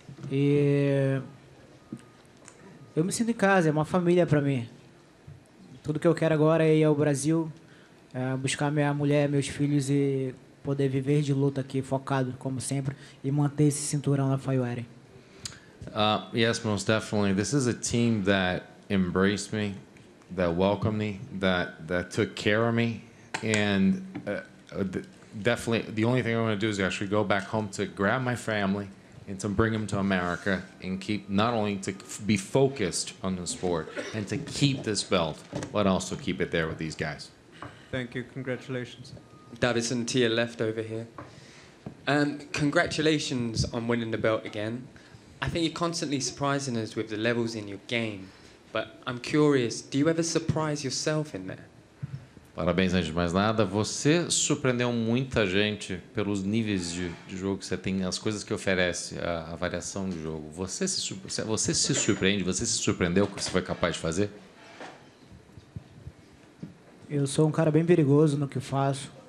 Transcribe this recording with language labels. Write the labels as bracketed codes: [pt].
[pt] E eu me sinto em casa, é uma família para mim. Tudo que eu quero agora é ir ao Brasil, buscar minha mulher, meus filhos e poder viver de luta aqui, focado, como sempre, e manter esse cinturão na Fire. [en] Yes, most definitely. This is a team that embraced me, that welcomed me, that took care of me. And definitely, the only thing I'm going to do is actually go back home to grab my family and to bring them to America and keep, not only to be focused on the sport and to keep this belt, but also keep it there with these guys. Thank you. Congratulations. Davison, to your left over here. Congratulations on winning the belt again. I think you're constantly surprising us with the levels in your game, but I'm curious, do you ever surprise yourself in there? [pt] Parabéns, antes de mais nada. Você surpreendeu muita gente pelos níveis de jogo que você tem, as coisas que oferece, a variação de jogo. Você se surpreende? Você se surpreendeu com o que você foi capaz de fazer? Eu sou um cara bem perigoso no que faço.